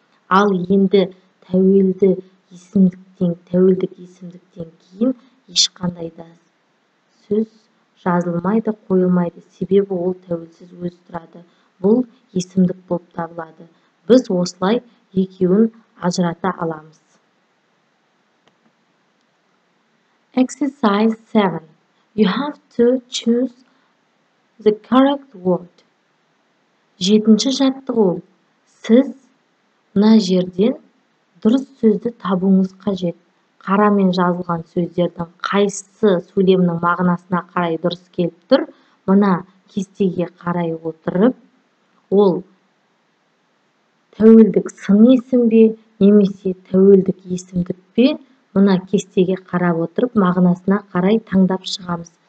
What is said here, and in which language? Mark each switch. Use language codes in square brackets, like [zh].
[kk] Ал енді тәуелдік есімдіктен кейін ешқандай да сөз жазылмайды, қойылмайды. Себебі ол тәуелсіз өзі тұрады. Бұл есімдік болып табылады. Біз осылай екеуін ажырата аламыз. [en] Exercise 7. You have to choose the correct word. [kk] 7-ші жаттығу. Сіз мына жерден дұрыс сөзді табуыңыз қажет. Қара мен жазылған сөздердің қайсысы сөйлемнің мағынасына қарай дұрыс келіп тұр. Мына кестеге қарай отырып, ол тәуелдік сын есім бе, немесе тәуелдік есімдік пе, мына кестеге қарап отырып, мағынасына қарай таңдап шығамыз.